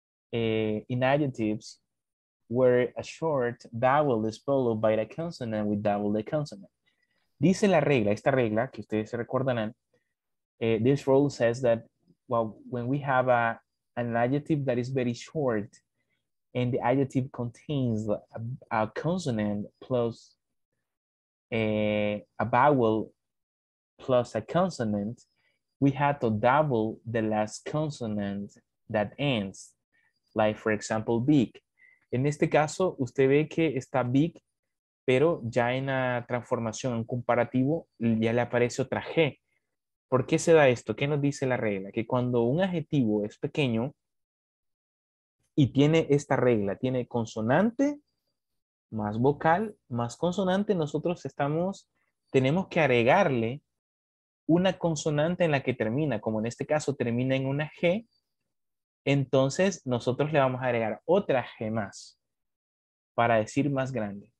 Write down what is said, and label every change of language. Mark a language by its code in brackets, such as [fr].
[en] In adjectives, where a short vowel is followed by a consonant with double the consonant. [es] Dice la regla, esta regla, que ustedes se recordarán. [en] This rule says that, well, when we have an adjective that is very short, and the adjective contains a consonant plus a vowel plus a consonant, we have to double the last consonant that ends. Like, for example, big. [es] En este caso, usted ve que está big, pero ya en la transformación, en comparativo, ya le aparece otra G. ¿Por qué se da esto? ¿Qué nos dice la regla? Que cuando un adjetivo es pequeño, y tiene esta regla, tiene consonante más vocal más consonante, nosotros estamos, tenemos que agregarle una consonante en la que termina, como en este caso termina en una G, entonces nosotros le vamos a agregar otra G más, para decir más grande.